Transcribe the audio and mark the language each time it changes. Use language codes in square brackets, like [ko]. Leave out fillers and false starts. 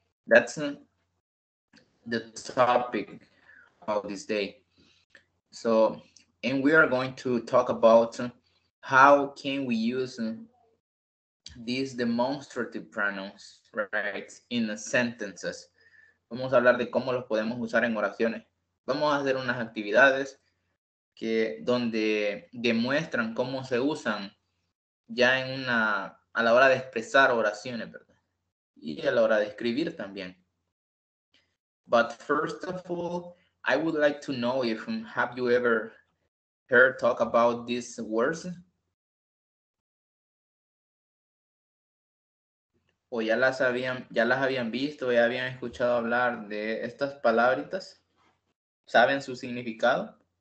[en] That's the topic of this day. So, and we are going to talk about how can we use these demonstrative pronouns, right, in the sentences. [es] Vamos a hablar de cómo los podemos usar en oraciones. Vamos a hacer unas actividades que donde demuestran cómo se usan ya en una a la hora de expresar oraciones, ¿verdad? Y a la hora de escribir también. [en] But first of all, I would like to know if have you ever heard talk about these words? [es] ¿O ya las habían visto, ya habían escuchado hablar de estas palabritas? ¿Saben su significado?